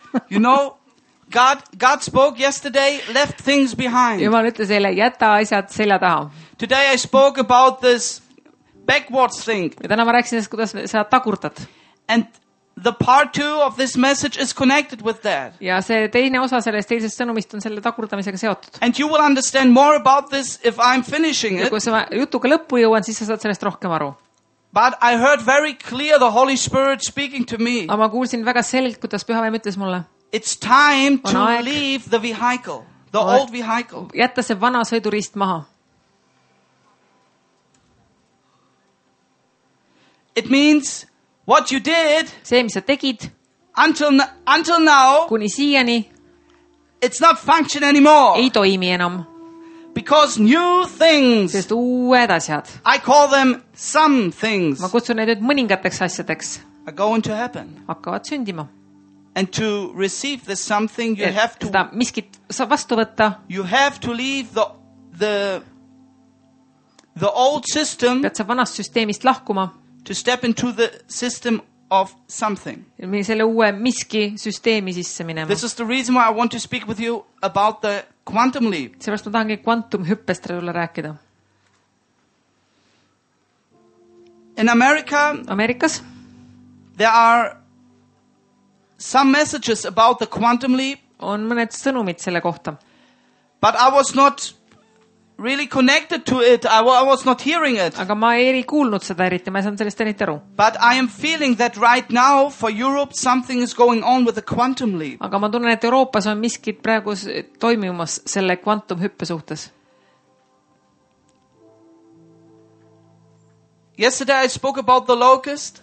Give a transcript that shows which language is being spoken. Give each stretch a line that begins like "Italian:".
English: You know, God spoke yesterday, left things behind.
Estonian: Jumal ütles eile, jätta asjad selja taha.
English: Today I spoke about this backwards thing.
Estonian: Ja täna ma rääksin, kuidas sa tagurtad.
English: And the part two of this message is connected with that.
Estonian: Ja see teine osa sellest eilsest sõnumist on selle tagurdamisega seotud.
English: And you will understand more about this if I'm finishing it.
Estonian: Ja kui sa jutuga lõppu jõuan, siis sa saad sellest rohkem aru.
English: But I heard very clear the Holy Spirit speaking to me.
Estonian: Aga ma kuulsin väga selgelt, kuidas Püha Vaim ütles mulle.
English: It's time to leave the vehicle, the old vehicle.
Estonian: Jätta see vana sõidurist maha.
English: It means what you did?
Estonian: See, mis sa tegid?
English: Until now.
Estonian: Kuni siiani.
English: It's not function anymore.
Estonian: Ei toimi enam.
English: Because new things.
Estonian: Sest uued asjad.
English: I call them some things.
Estonian: Ma kutsun neid mõningateks asjadeks.
English: Are going to happen.
Estonian: Hakkavad sündima.
English: And to receive this something you have to.
Estonian: Seda miskit sa vastu võtta.
English: You have to leave the old system.
Estonian: Pead sa vanast süsteemist lahkuma.
English: To step into the system of something.
Estonian: Selle uue miski süsteemi sisse minema.
English: This is the reason why I want to speak with you about the quantum leap.
Estonian: Sellest ma tahangi quantum hüppest tulla rääkida.
English: In America,
Estonian: Amerikas,
English: there are some messages about the quantum leap.
Estonian: On mõned sõnumid selle kohta.
English: But I was not really connected to it. I was not hearing it.
Estonian: Aga ma ei kuulnud seda eriti, ma ei saanud sellest eriti aru.
English: But I am feeling that right now for Europe something is going on with the quantum leap.
Estonian: Aga ma tunnen, et Euroopas on miskit praegu toimimas selle quantum hüppe suhtes.
English: Yesterday I spoke about the locust.